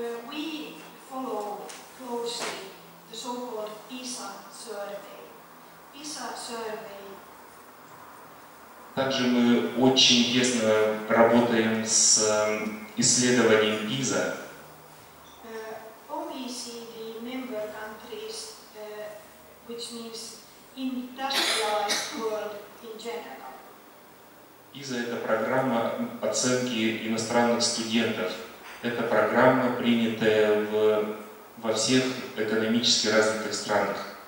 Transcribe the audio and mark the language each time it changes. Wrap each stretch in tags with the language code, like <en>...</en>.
<en>We follow closely the so-called PISA survey. PISA survey.</en> <ru>Также мы очень тесно работаем с исследованием ПИЗа.</ru> <en>OECD member countries, which means industrialized world in general.</en> <ru>ПИЗа – это программа оценки иностранных студентов. Это программа, принятая во всех экономически развитых странах.</ru>